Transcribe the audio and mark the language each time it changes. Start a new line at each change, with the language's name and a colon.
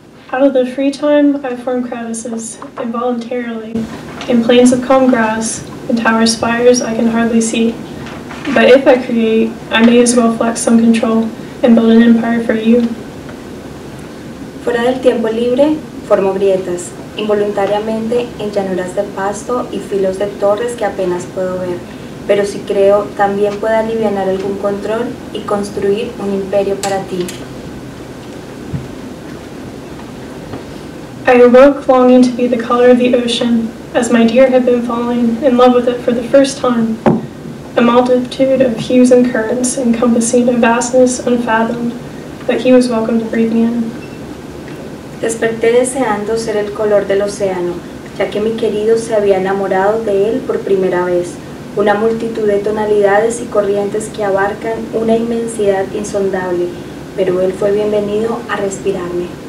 English: The free time I form crevices involuntarily in plains of calm grass and tower spires I can hardly see. But if I create, I may as well flex some control and build an empire for you.
Spanish: Fuera del tiempo libre, formo grietas involuntariamente en llanuras de pasto y filos de torres que apenas puedo ver. Pero si creo, también puedo aliviar algún control y construir un imperio para ti.
English: I awoke longing to be the color of the ocean, as my deer had been falling in love with it for the first time, a multitude of hues and currents encompassing a vastness unfathomed that he was welcome to breathe me in.
Spanish: Desperté deseando ser el color del océano, ya que mi querido se había enamorado de él por primera vez, una multitud de tonalidades y corrientes que abarcan una inmensidad insondable, pero él fue bienvenido a respirarme.